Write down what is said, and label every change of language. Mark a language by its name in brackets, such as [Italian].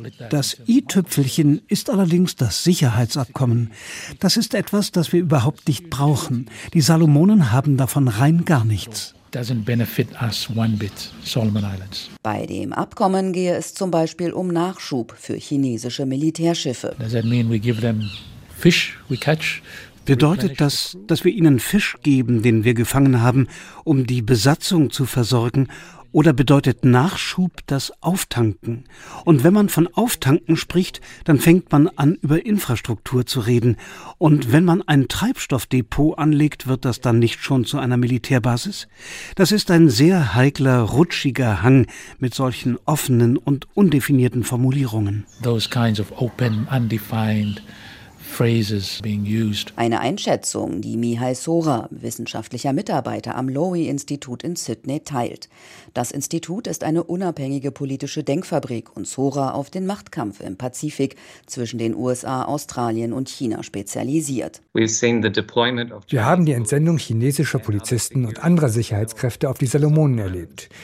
[German] Das i-Tüpfelchen ist allerdings das Sicherheitsabkommen. Das ist etwas, das wir überhaupt nicht brauchen. Die Salomonen haben davon rein gar nichts. [English] Doesn't benefit us one bit, Solomon Islands. [German] Bei dem Abkommen gehe es zum Beispiel um Nachschub für chinesische Militärschiffe. [English] Does that mean we give them fish we catch? [German] Bedeutet das, dass wir ihnen Fisch geben, den wir gefangen haben, um die Besatzung zu versorgen? Oder bedeutet Nachschub das Auftanken? Und wenn man von Auftanken spricht, dann fängt man an, über Infrastruktur zu reden. Und wenn man ein Treibstoffdepot anlegt, wird das dann nicht schon zu einer Militärbasis? Das ist ein sehr heikler, rutschiger Hang mit solchen offenen und undefinierten Formulierungen. [English] Those kinds of open, undefined phrases being used. [German] Eine Einschätzung, die Mihai Sora, wissenschaftlicher Mitarbeiter am Lowy-Institut in Sydney, teilt. Das Institut ist eine unabhängige politische Denkfabrik und Sora auf den Machtkampf im Pazifik zwischen den USA, Australien und China spezialisiert. Wir haben die Entsendung chinesischer Polizisten und anderer Sicherheitskräfte auf die Salomonen erlebt.